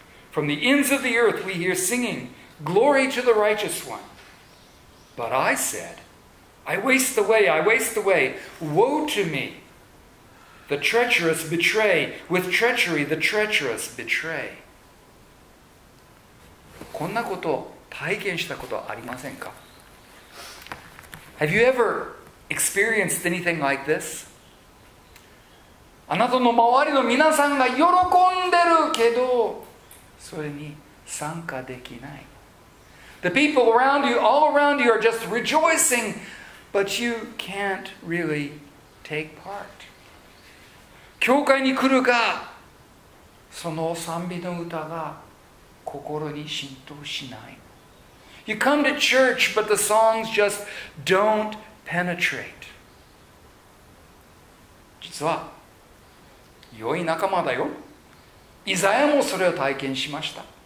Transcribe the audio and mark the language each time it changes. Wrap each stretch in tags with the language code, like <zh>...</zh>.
<en>From the ends of the earth we hear singing, Glory to the righteous one. But I said, I waste away, I waste away. Woe to me! The treacherous betray, with treachery the treacherous betray.</en> <ja>こんなこと体験したことありませんか?</ja> <en>Have you ever... experienced anything like this?</en> <ja>あなたの周りの皆さんが喜んでるけど、それに参加できない。</ja> <en>The people around you, all around you, are just rejoicing, but you can't really take part.</en> <ja>教会に来るが、その賛美の歌が心に浸透しない。</ja> <en>You come to church, but the songs just don't. Penetrate.</en> <ja>実は良い仲間だよ。イザヤもそれを体験しました。</ja>